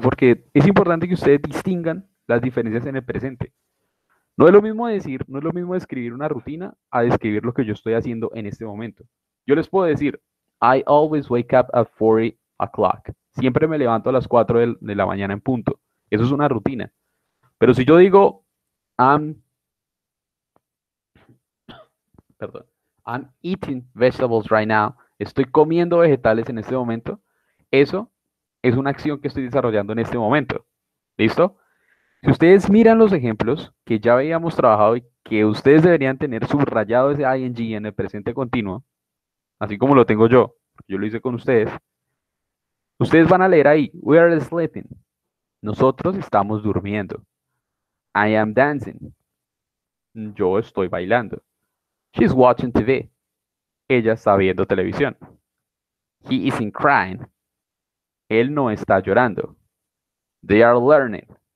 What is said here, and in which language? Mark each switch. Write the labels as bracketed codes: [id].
[es] Porque es importante que ustedes distingan las diferencias en el presente. No es lo mismo decir, no es lo mismo describir una rutina a describir lo que yo estoy haciendo en este momento. Yo les puedo decir, [en] I always wake up at 4 o'clock. [es] Siempre me levanto a las 4 de la mañana en punto. Eso es una rutina. Pero si yo digo, perdón, [en] I'm eating vegetables right now. [es] Estoy comiendo vegetales en este momento. Eso es una acción que estoy desarrollando en este momento. ¿Listo? Si ustedes miran los ejemplos que ya habíamos trabajado y que ustedes deberían tener subrayado ese ing en el presente continuo, así como lo tengo yo lo hice con ustedes, ustedes van a leer ahí, [en] we are sleeping, [es] nosotros estamos durmiendo, [en] I am dancing, [es] yo estoy bailando, [en] she's watching TV, [es] ella está viendo televisión, [en] he isn't crying, [es] él no está llorando, [en] they are learning.